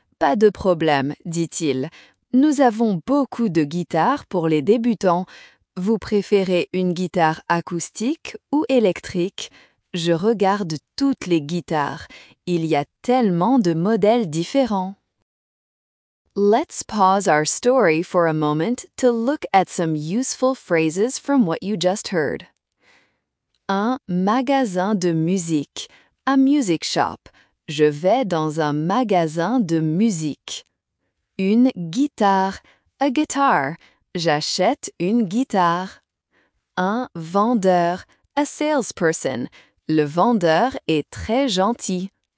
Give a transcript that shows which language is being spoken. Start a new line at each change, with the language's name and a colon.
French: Pas de problème, dit-il. Nous avons beaucoup de guitares pour les débutants. Vous préférez une guitare acoustique ou électrique? Je regarde toutes les guitares. Il y a tellement de modèles différents.
English: Let's pause our story for a moment to look at some useful phrases from what you just heard.
French: Un magasin de musique.
English: A music shop.
French: Je vais dans un magasin de musique. Une guitare.
English: A guitar.
French: J'achète une guitare. Un vendeur.
English: A salesperson.
French: Le vendeur est très gentil.